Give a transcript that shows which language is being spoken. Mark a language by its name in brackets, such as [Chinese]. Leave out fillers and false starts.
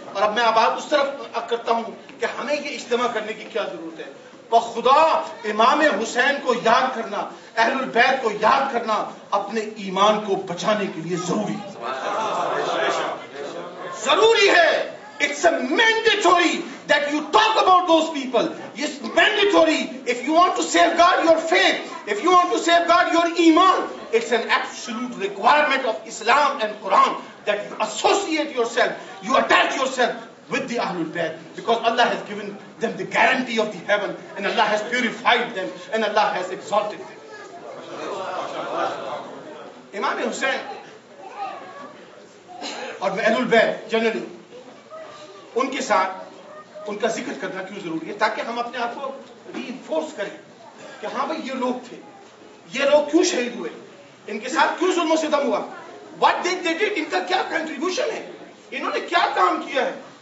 [Urdu] اور اب میں اب آپ اس طرف کرتا ہوں کہ ہمیں یہ اجتماع کرنے کی کیا ضرورت ہے؟ بخدا امام حسین کو یاد کرنا, اہل البیت کو یاد کرنا اپنے ایمان کو بچانے کے لیے ضروری ضروری ہے. [English] It's a mandatory that you talk about those people. It's mandatory if you want to safeguard your faith, if you want to safeguard your iman. It's an absolute requirement of Islam and Quran that you associate yourself, you attach yourself with the Ahlul Bayt, because Allah has given them the guarantee of the heaven, and Allah has purified them, and Allah has exalted them. Imam Hussain or Ahlul Bayt generally, [Urdu] ان کے ساتھ ان کا ذکر کرنا کیوں ضروری ہے؟ تاکہ ہم اپنے آپ کو ری انفورس کریں کہ ہاں بھائی یہ لوگ تھے, یہ لوگ کیوں شہید ہوئے, ان کے ساتھ کیوں ظلم و ستم ہوا, [English] what they did, [Urdu] ان کا کیا کنٹریبیوشن ہے, انہوں نے کیا کام کیا ہے.